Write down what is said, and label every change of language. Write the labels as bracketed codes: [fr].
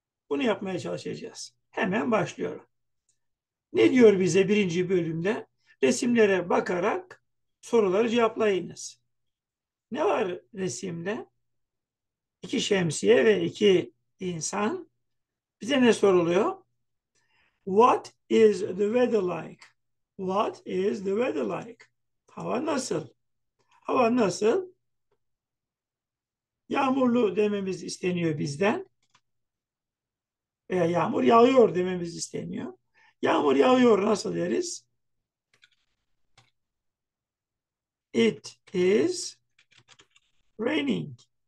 [tr] Bunu yapmaya çalışacağız. Hemen başlıyorum. Ne diyor bize birinci bölümde? Resimlere bakarak soruları cevaplayınız. Ne var resimde? İki şemsiye ve iki insan. Bize ne soruluyor? [en] What is the weather like? What is the weather like? [tr] Hava nasıl? Hava nasıl? Yağmurlu dememiz isteniyor bizden. Veya yağmur yağıyor dememiz isteniyor. Yağmur yağıyor nasıl deriz? [en] It is raining.